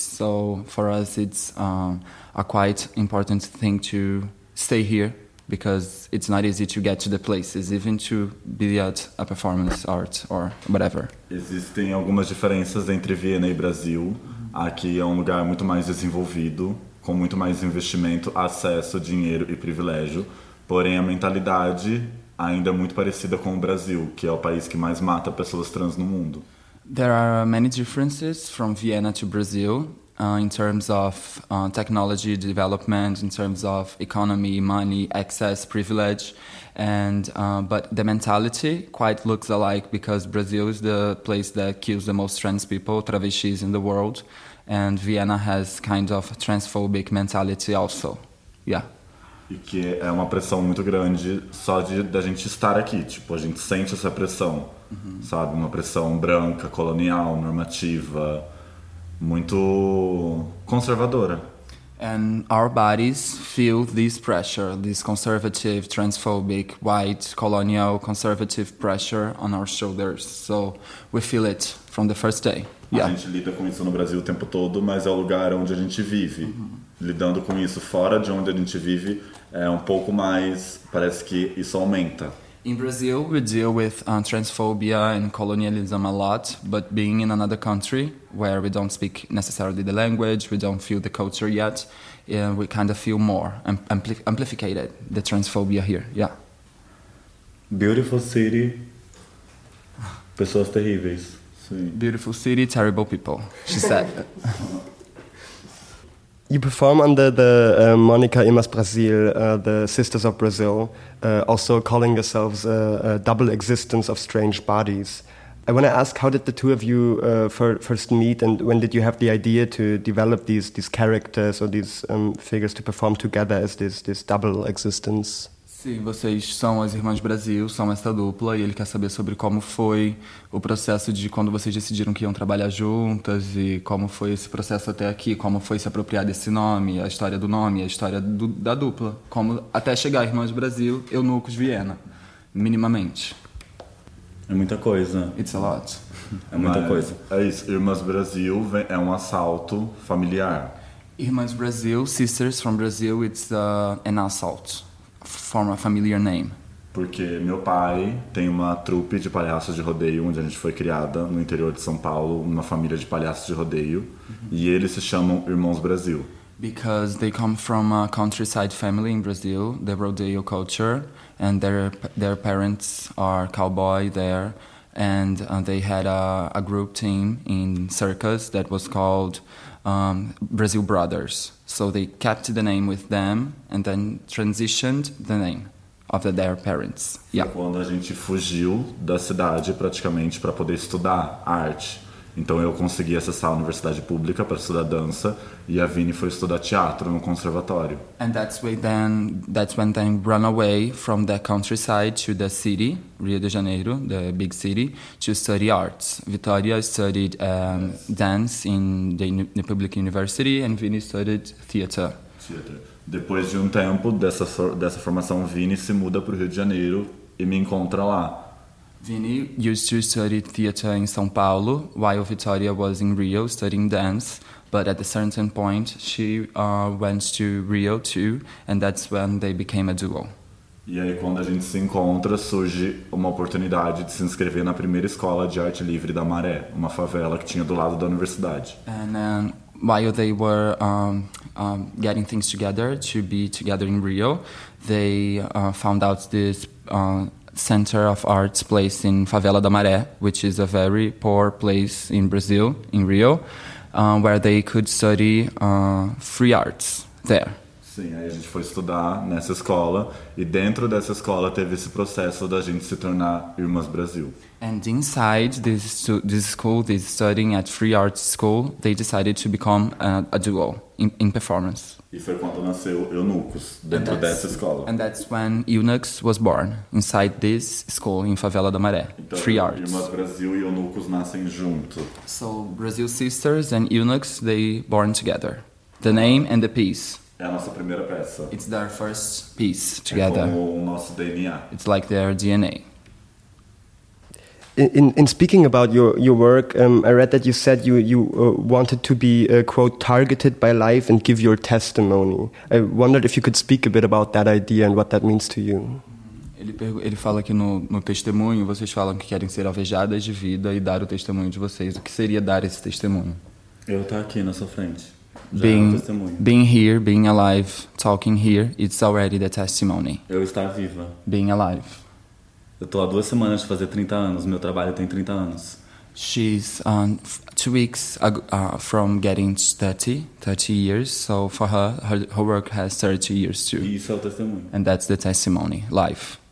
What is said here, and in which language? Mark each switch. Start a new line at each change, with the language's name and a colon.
English: So for us, it's a quite important thing to stay here, because it's not easy to get to the places, even to be at a performance art or whatever.
Portuguese: Existem algumas diferenças entre Viena e Brasil. Aqui é um lugar muito mais desenvolvido, com muito mais investimento, acesso, dinheiro e privilégio. Porém, a mentalidade ainda é muito parecida com o Brasil, que é o país que mais mata pessoas trans no mundo.
English: There are many differences from Vienna to Brazil in terms of technology development, in terms of economy, money, access, privilege, and but the mentality quite looks alike, because Brazil is the place that kills the most trans people, travestis in the world. And Vienna has kind of a transphobic mentality also. Yeah.
Portuguese: E que é uma pressão muito grande só de a gente estar aqui. Tipo, a gente sente essa pressão, sabe? Uma pressão branca, colonial, normativa, muito conservadora.
English: And our bodies feel this pressure, this conservative, transphobic, white, colonial, conservative pressure on our shoulders. So we feel it from the first day.
Portuguese: A gente lida com isso no Brasil o tempo todo, mas é o lugar onde a gente vive. Lidando com isso fora de onde a gente vive é um pouco mais, parece que isso aumenta.
English: In Brazil we deal with transphobia and colonialism a lot, but being in another country where we don't speak necessarily the language, we don't feel the culture yet, we kind of feel more amplified the transphobia here. Yeah. Beautiful city.
Portuguese: Pessoas terríveis.
English: Sim. Beautiful city, terrible people, she said. You perform under the Monica Imas Brasil, the Sisters of Brazil, also calling yourselves a double existence of strange bodies. I want to ask, how did the two of you first meet, and when did you have the idea to develop these characters or these figures to perform together as this double existence?
Portuguese: Sim, vocês são as Irmãs Brasil, são essa dupla, e ele quer saber sobre como foi o processo de quando vocês decidiram que iam trabalhar juntas e como foi esse processo até aqui, como foi se apropriar desse nome, a história do nome, a história da dupla, como até chegar Irmãs Brasil, Eunucos Viena, minimamente. É muita coisa.
English: It's a lot.
Portuguese: É muita coisa. É isso, Irmãs Brasil é um assalto familiar.
English: Irmãs Brasil, Sisters from Brazil, it's an assault. Form a familiar name.
Portuguese: Porque meu pai tem uma trupe de palhaços de rodeio, onde a gente foi criada, no interior de São Paulo, uma família de palhaços de rodeio, e eles se chamam Irmãos Brasil.
English: Because they come from a countryside family in Brazil, the rodeo culture, and their parents are cowboy there, and they had a group team in circus that was called Brazil Brothers. So they kept the name with them and then transitioned the name of their parents. Yeah.
Portuguese: Quando a gente fugiu da cidade praticamente para poder estudar arte. Então eu consegui acessar a universidade pública para estudar dança e a Vini foi estudar teatro no conservatório.
English: And that's when they ran away from the countryside to the city, Rio de Janeiro, the big city, to study arts. Vitória studied dance in the public university and Vini studied theater.
Portuguese: Depois de um tempo dessa formação, Vini se muda para o Rio de Janeiro e me encontra lá.
English: Vini used to study theater in São Paulo while Vitória was in Rio studying dance, but at a certain point she went to Rio too, and that's when they became a duo.
Portuguese: E aí quando a gente se encontra, surge uma oportunidade de se inscrever na primeira escola de arte livre da Maré, uma favela que tinha do lado da universidade.
English: And then while they were getting things together to be together in Rio, they found out this Center of Arts place in Favela da Maré, which is a very poor place in Brazil, in Rio, where they could study free arts there.
Portuguese: Sim, aí a gente foi estudar nessa escola, e dentro dessa escola teve esse processo da gente se tornar Irmãs Brasil.
English: And inside this school, this studying at free arts school, they decided to become a duo in performance.
Portuguese: E foi quando nasceu Eunucos, dentro dessa escola.
English: And that's when Eunucos was born, inside this school in Favela da Maré,
Portuguese: então,
English: free arts.
Portuguese: Irmãs Brasil e Eunucos nascem junto.
English: So, Brazil Sisters and Eunucos, they born together. The name and the piece.
Portuguese: É a nossa primeira peça.
English: It's their first piece together.
Portuguese: É como o nosso DNA.
English: It's like their DNA. In speaking about your work, I read that you said you wanted to be, quote, targeted by life and give your testimony. I wondered if you could speak a bit about that idea and what that means to you.
Portuguese: Ele fala que no testemunho vocês falam que querem ser alvejadas de vida e dar o testemunho de vocês. O que seria dar esse testemunho? Eu estar aqui na sua frente.
English: Being here, being alive, talking here, it's already the testimony.
Portuguese: Eu estar viva.
English: Being alive.
Portuguese: Eu tô há duas semanas de fazer 30 anos, meu trabalho tem 30 anos.
English: She's 2 weeks from getting 30 years, so for her work has 30 years too.
Portuguese: E isso é o testemunho.
English: And that's the testimony, life.